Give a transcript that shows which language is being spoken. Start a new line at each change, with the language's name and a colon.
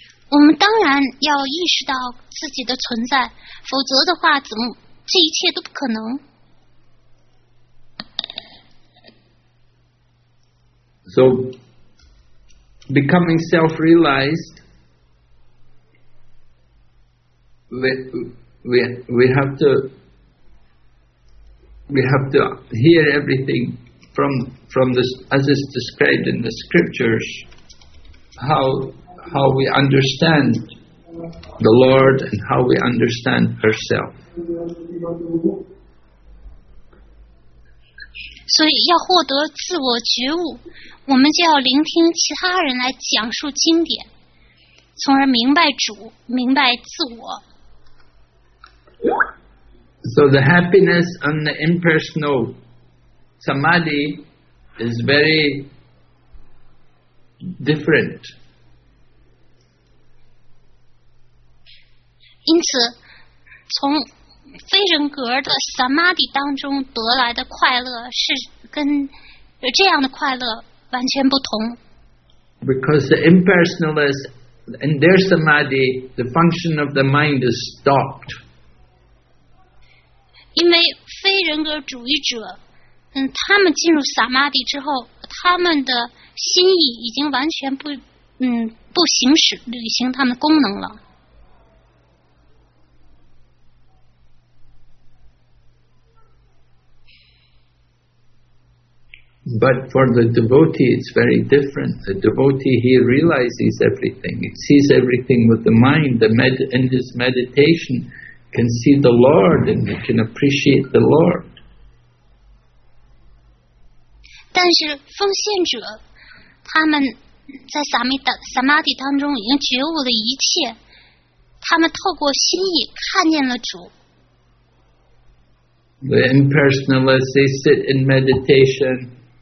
Chinese: 我们当然要意识到自己的存在，否则的话，怎么这一切都不可能。
English: So, becoming self-realized, we have to hear everything from this as is described in the scriptures, how we understand the Lord and how we understand ourselves.
Chinese: 所以要获得自我觉悟，我们就要聆听其他人来讲述经典，从而明白主，明白自我。
English: So the happiness on the impersonal samadhi is very different.
Chinese: 因此，从非人格的 samadhi 当中得来的快乐是跟这样的快乐完全不同。
English: Because the impersonalist in their samadhi, the function of the mind is stopped.
Chinese: 因为非人格主义者，他们进入萨玛底之后，他们的心意已经完全不，不行使履行他们的功能了。
English: But for the devotee, it's very different. The devotee, he realizes everything. He sees everything with the mind. In his meditation. Can see the Lord and you can appreciate the Lord.
Chinese: 但是奉献者，他们在萨玛底当中已经觉悟了一切，他们透过心意看见了主。
English: The impersonalists, they sit in meditation.